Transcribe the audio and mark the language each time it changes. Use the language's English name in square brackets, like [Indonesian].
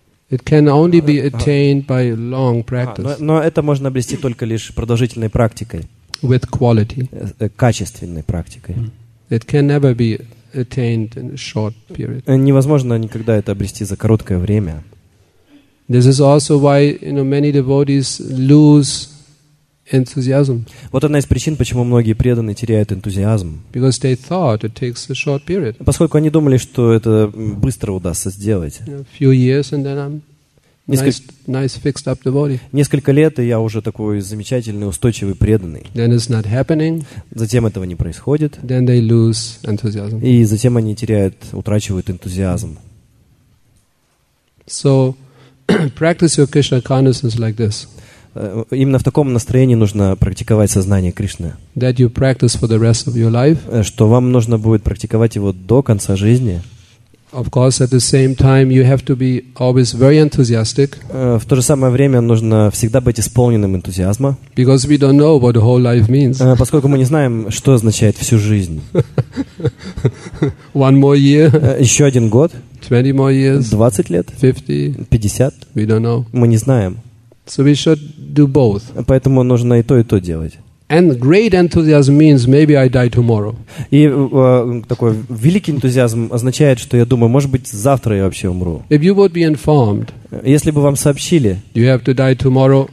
[English] It can only be attained by long practice. [Russian] Но это можно обрести только лишь продолжительной практикой. [English] With quality. [Russian] Качественной практикой. [English] It can never be attained in a short period. [Russian] Невозможно никогда это обрести за короткое время. [English] This is also why, you know, many devotees lose enthusiasm. [Russian] Вот одна из причин, почему многие преданные теряют энтузиазм. [English] Because they thought it takes a short period. [Russian] Поскольку они думали, что это быстро удастся сделать. [English] A few years and then I'm [Russian] Несколько лет, и я уже такой замечательный, устойчивый, преданный. [English] Then it's not happening. [Russian] Затем этого не происходит. [English] Then they lose enthusiasm. [Russian] И затем они утрачивают энтузиазм. [English] So, practice your Krishna consciousness like this. [Russian] Именно в таком настроении нужно практиковать сознание Кришны. [English] That you practice for the rest of your life. [Russian] Что вам нужно будет практиковать его до конца жизни. [English] Of course, at the same time, you have to be always very enthusiastic. [Russian] В то же самое время нужно всегда быть исполненным энтузиазма. [English] Because we don't know what whole life means. [Russian] Поскольку мы не знаем, что означает всю жизнь. [English] One more year. [Russian] Еще один год. [English] 20 more years. [Russian] 20 лет. [English] 50. [Russian] 50. [English] We don't know. [Russian] Мы не знаем. [English] So we should do both. [Russian] Поэтому нужно и то делать. [English] And great enthusiasm means maybe I die tomorrow. [Russian] И такой великий энтузиазм означает, что я думаю, может быть, завтра я вообще умру. [English] If you would be informed, [Russian] если бы вам сообщили, [English] you have to die tomorrow,